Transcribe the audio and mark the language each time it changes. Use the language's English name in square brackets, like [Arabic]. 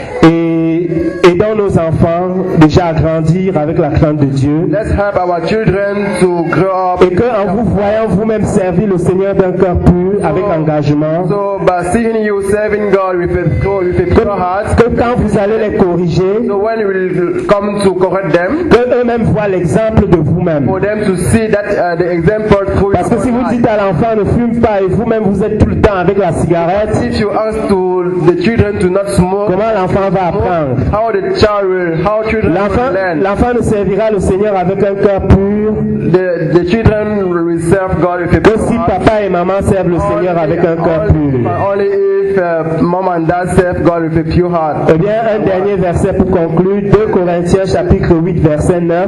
[French] Et aidons nos enfants déjà à grandir avec la crainte de Dieu. [English] Let's help our children to grow up. [French] Et que en vous voyant vous-même servir le Seigneur d'un cœur pur avec engagement. [English] So by seeing you serving God with a pure heart. [French] Que quand vous allez les corriger. [English] So when you will come to correct them. [French] Que eux-mêmes voient l'exemple de vous-même. [English] For them to see that the example through. [French] Parce que si vous dites à l'enfant ne fume pas et vous-même vous êtes tout le temps avec la cigarette. [English] If you ask to the children to not smoke. [French] Comment l'enfant va apprendre? [English] How the child will, how children [French] l'enfant, [English] will learn. [French] L'enfant ne servira le Seigneur avec un cœur pur. [English] The children will serve God with a pure heart. [French] Aussi papa et maman servent le Seigneur avec un cœur pur. [English] Only if mom and dad serve God with a pure heart. [French] Eh bien, un dernier verset pour conclure, 2 Corinthiens chapitre 8 verset 9.